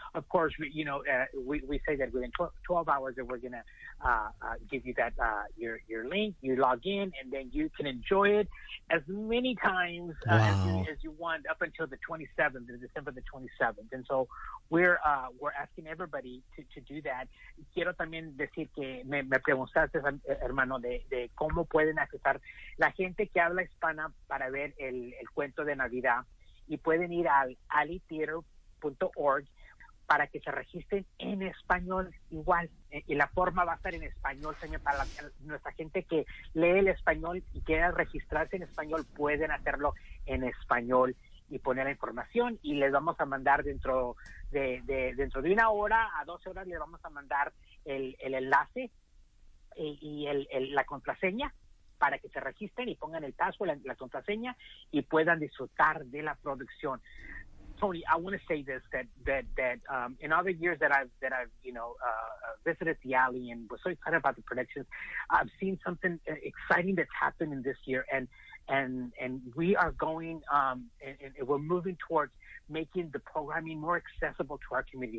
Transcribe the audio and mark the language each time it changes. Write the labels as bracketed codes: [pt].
[en] Of course, we say that within 12 hours that we're going to give you that your link. You log in, and then you can enjoy it as many times as you want, up until the 27th, December the 27th. And so we're asking everybody to do that. [es] Quiero también decir que me preguntaste, hermano, de cómo pueden acceder la gente que habla hispana para ver el cuento de Navidad, y pueden ir al alleytheater.org para que se registren en español igual, y la forma va a estar en español, señor, para nuestra gente que lee el español y quiera registrarse en español, pueden hacerlo en español y poner la información, y les vamos a mandar dentro de una hora a 12 horas, les vamos a mandar el enlace y la contraseña para que se registren y pongan el password, la contraseña, y puedan disfrutar de la producción. [en] Tony, I want to say this, that in other years that I've you know, visited the Alley and was so excited about the productions, I've seen something exciting that's happened in this year, and we are going and we're moving towards making the programming more accessible to our community.